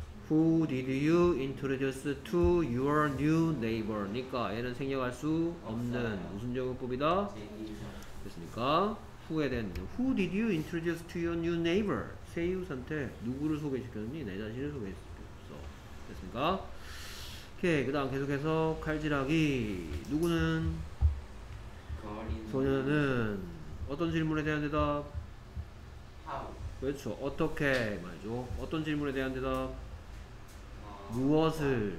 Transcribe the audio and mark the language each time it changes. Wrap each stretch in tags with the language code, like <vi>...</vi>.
<en>Who did you introduce to your new neighbor?</en> <ko>니까 얘는 생략할 수 없는 무슨 적용법이다? 됐습니까?</ko> <en>Who에 대한 Who did you introduce to your new neighbor?</en> <ko>새 이웃한테 누구를 소개시켰니? 내 자신을 소개시켰어. 됐습니까? 오케이, 그 다음 계속해서 칼질하기. 누구는? 소녀는? 어떤 질문에 대한 대답?</ko> <en>How?</en> <ko>그렇죠. 어떻게 말이죠. 어떤 질문에 대한 대답? 무엇을?</ko>